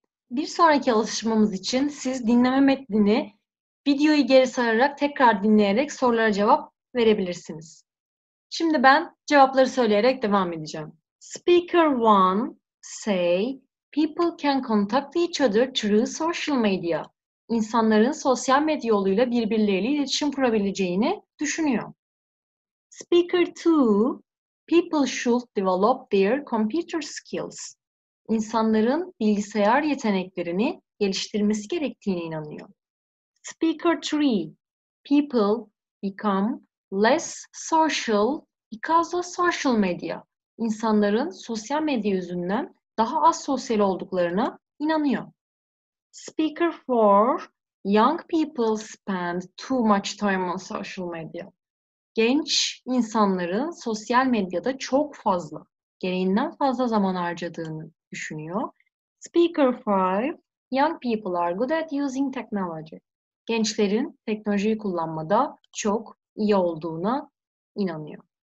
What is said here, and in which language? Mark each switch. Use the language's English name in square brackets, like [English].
[Turkish] Bir sonraki alışmamız için siz dinleme metnini videoyu geri sararak tekrar dinleyerek sorulara cevap verebilirsiniz. Şimdi ben cevapları söyleyerek devam edeceğim. [English] Speaker 1 say people can contact each other through social media. [Turkish] İnsanların sosyal medya yoluyla birbirleriyle iletişim kurabileceğini düşünüyor. [English] Speaker 2 people should develop their computer skills. [Turkish] İnsanların bilgisayar yeteneklerini geliştirmesi gerektiğine inanıyor. [English] Speaker 3. People become less social because of social media. [Turkish] İnsanların sosyal medya yüzünden daha az sosyal olduklarına inanıyor. [English] Speaker 4. Young people spend too much time on social media. [Turkish] Genç insanların sosyal medyada çok fazla, gereğinden fazla zaman harcadığını düşünüyor. [English] Speaker 5. Young people are good at using technology. [Turkish] Gençlerin teknolojiyi kullanmada çok iyi olduğuna inanıyor.